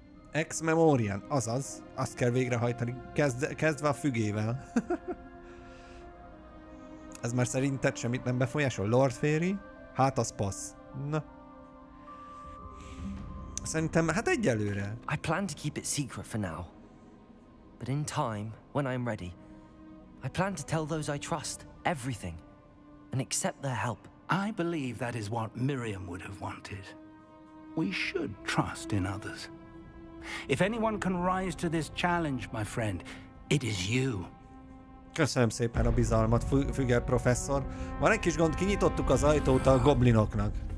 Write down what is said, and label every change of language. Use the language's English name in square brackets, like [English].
[Hungarian] Ex memoriam, azaz, azt kell végrehajtani, kezdve a fügével. Ez már szerinted semmit nem befolyásol? Lord Fairy? Hát az passz. Na. Szerintem, hát egyelőre. [English] I plan to keep it secret for now. But in time, when I'm ready, I plan to tell those I trust everything and accept their help. I believe that is what Miriam would have wanted. We should trust in others. If anyone can rise to this challenge, my friend, it is you. [Hungarian] Köszönöm szépen a bizalmat, Füge professzor. Van egy kis gond, kinyitottuk az ajtót a goblinoknak.